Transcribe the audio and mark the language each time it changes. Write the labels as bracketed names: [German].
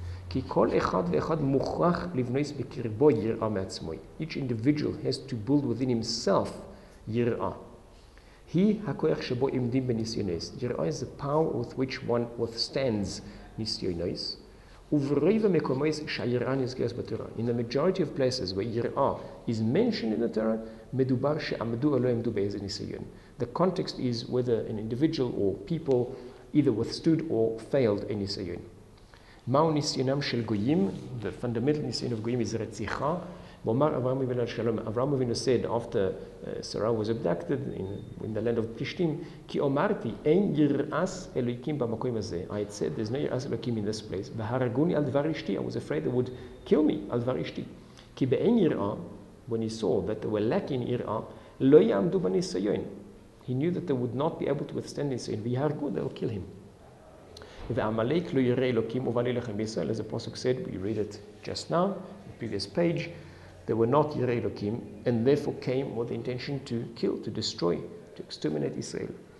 [Hebrew] כי כל אחד ואחד מוכרח לבנות בקרבו יראה מעצמו. [English] Each individual has to build within himself יראה. [Hebrew] היא הכוח שבו עמדים בניסיונס. [English] יראה is the power with which one withstands ניסיונס. [Hebrew] וברוב המקומות שהיראה נזכרת בתורה. [English] In the majority of places where יראה is mentioned in the Torah, [Hebrew] מדובר שעמדו או לא עמדו באיזה ניסיון. [English] The context is whether an individual or people either withstood or failed a ניסיון. [Hebrew] מהו ניסיונם של גויים? [English] The fundamental ניסיון of גויים is רציחה. [Hebrew] ואומר אברהם אבינו על שלום, אברהם אבינו [English] said after Sarah was abducted in the land of Plishtim, [Hebrew] כי אמרתי, אין יראס אלוהיקים במקום הזה. [English] I had said, there's no יראס אלוהיקים in this place. [Hebrew] והרגוני על דבר אשתי. [English] I was afraid they would kill me [Hebrew] על דבר אשתי. כי באין יראה, [English] when he saw that they were lacking יראה, [Hebrew] לא יעמדו בניסיון. [English] He knew that they would not be able to withstand this and ויהרגו, they'll kill him. [Hebrew] ועמלק לא יראה אלוקים ובלי לכם בישראל, [English] as the pasuk said, we read it just now, the previous page, they were not [Hebrew] יראה אלוקים, [English] and therefore came with the intention to kill, to destroy, to exterminate Israel.